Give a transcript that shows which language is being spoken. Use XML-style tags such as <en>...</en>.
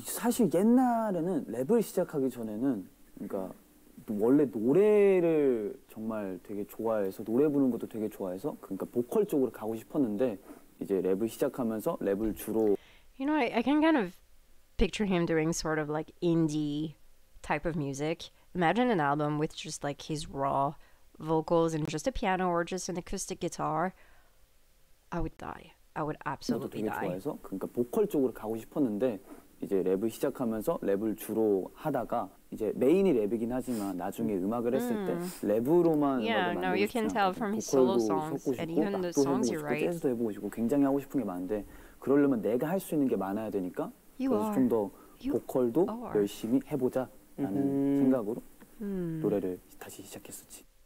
<ko>사실 옛날에는 랩을 시작하기 전에는 그러니까 원래 노래를 정말 되게 좋아해서 노래 부르는 것도 되게 좋아해서 그러니까 보컬 쪽으로 가고 싶었는데 이제 랩을 시작하면서 랩을 주로</ko> <en>You know, I can kind of picture him doing sort of like indie type of music. Imagine an album with just like his raw vocals and just a piano or just an acoustic guitar. I would die. I would absolutely die.</en> <ko>되게 좋아해서 그러니까 보컬 쪽으로 가고 싶었는데 이제 랩을 시작하면서 랩을 주로 하다가 이제 메인이 랩이긴 하지만 나중에 음악을 했을 때 랩으로만 보컬도 해보고 싶고 굉장히 하고 싶은 게 많은데 그러려면 내가 할 수 있는 게 많아야 되니까 그래서 좀 더 보컬도 열심히 해보자 라는 생각으로 노래를 다시 시작했었지.</ko>